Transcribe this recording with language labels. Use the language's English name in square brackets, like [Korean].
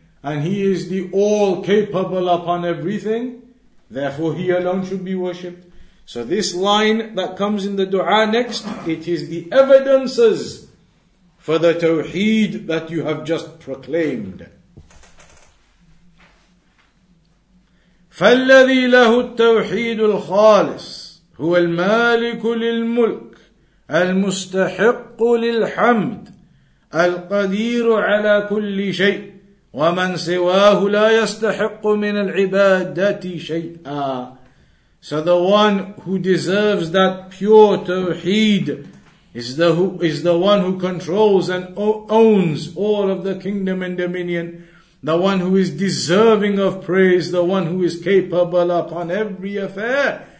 [English] And He is the all-capable upon everything, therefore He alone should be worshipped. So this line that comes in the dua next, it is the evidences for the tawheed that you have just proclaimed. [Arabic] فَالَّذِي لَهُ التَّوْحِيدُ الْخَالِصِ هو المالك للملك المستحق للحمد القدير على كل شيء ومن سواه لا يستحق من العبادة شيئا. [English] So the one who deserves that pure tawheed is the one who controls and owns all of the kingdom and dominion, the one who is deserving of praise, the one who is capable upon every affair.